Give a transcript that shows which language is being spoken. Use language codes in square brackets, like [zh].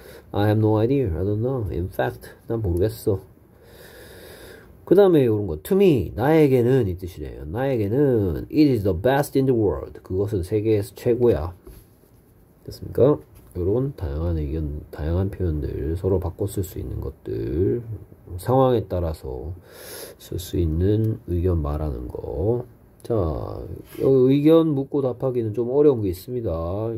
[en] I have no idea. I don't know. In fact, [ko] 난 모르겠어. 그 다음에 이런 거, to me, 나에게는 이 뜻이네요. 나에게는 [en] it is the best in the world. [ko] 그것은 세계에서 최고야. 됐습니까? 이런 다양한 의견, 다양한 표현들 서로 바꿔 쓸수 있는 것들, 상황에 따라서 쓸수 있는 의견 말하는 거. 자, 의견 묻고 답하기는 좀 어려운 게 있습니다.